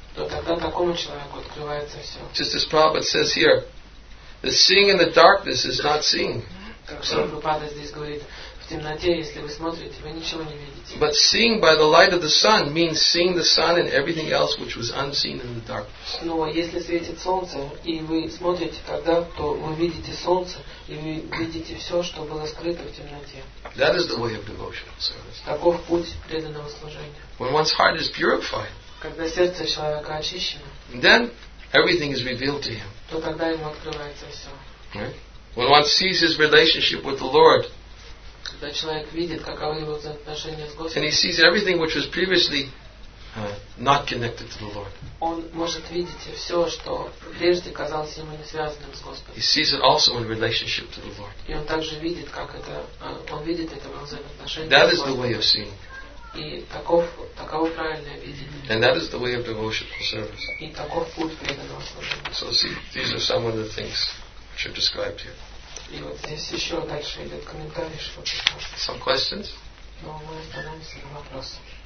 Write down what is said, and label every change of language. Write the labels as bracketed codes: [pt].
[ru] То тогда такому человеку открывается все. [en] Just as Prabhupada says here, the seeing in the darkness is not seeing. [ru] Как Шри Прабхупада здесь говорит, в темноте, если вы смотрите, вы ничего не видите. [en] But seeing by the light of the sun means seeing the sun and everything else which was unseen in the darkness. [ru] Но если светит солнце и вы смотрите тогда, то вы видите солнце и вы видите все, что было скрыто в темноте. [en] That is the way of devotional service. [ru] Таков путь преданного служения. [en] When one's heart is purified, [ru] когда сердце человека очищено, [en] then everything is revealed to him. [ru] То тогда ему открывается все. [en] When one sees his relationship with the Lord, [ru] когда человек видит, каковы его отношения с Господом, [en] and he sees everything which was previously not connected to the Lord, [ru] он может видеть все, что прежде казалось ему не связанным с Господом. [en] He sees it also in relationship to the Lord. [ru] И он также видит, как это, он видит это в взаимоотношениях. [en] That is the way of seeing. [ru] И таково правильное видение. [en] And that is the way of devotional service. [ru] И таков путь преданного служения. [en] So see, these are some of the things which are described here. [ru] И вот здесь еще дальше идет комментарий, что [en] some questions? [ru] Но мы остановимся на вопросы.